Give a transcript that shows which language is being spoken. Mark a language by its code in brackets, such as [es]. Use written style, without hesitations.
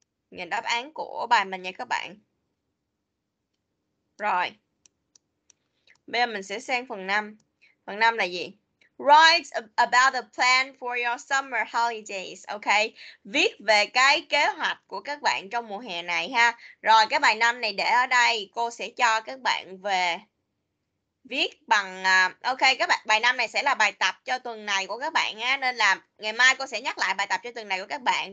[vi] Nhìn đáp án của bài mình nha các bạn. Rồi. Bây giờ mình sẽ sang phần 5. Phần 5 là gì? [en] Write about the plan for your summer holidays. Ok. [vi] Viết về cái kế hoạch của các bạn trong mùa hè này ha. Rồi cái bài 5 này để ở đây. Cô sẽ cho các bạn về viết bằng ok các bạn, bài năm này sẽ là bài tập cho tuần này của các bạn á, nên là ngày mai cô sẽ nhắc lại bài tập cho tuần này của các bạn.